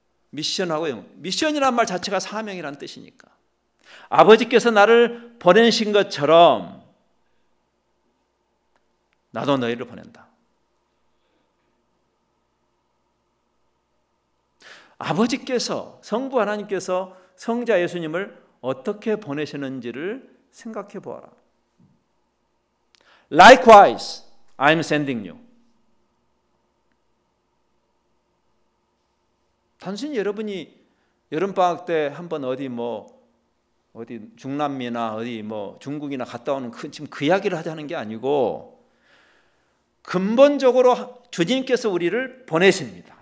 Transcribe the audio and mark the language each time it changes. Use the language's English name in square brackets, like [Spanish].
[Korean] 미션하고, 미션이란 말 자체가 사명이라는 뜻이니까, 아버지께서 나를 보내신 것처럼 나도 너희를 보낸다. 아버지께서, 성부 하나님께서 성자 예수님을 어떻게 보내시는지를 생각해 보아라. [English] Likewise, I'm sending you. [Korean] 단순히 여러분이 여름방학 때 한번 어디 중남미나 어디 뭐 중국이나 갔다 오는 지금 그 이야기를 하자는 게 아니고 근본적으로 주님께서 우리를 보내십니다.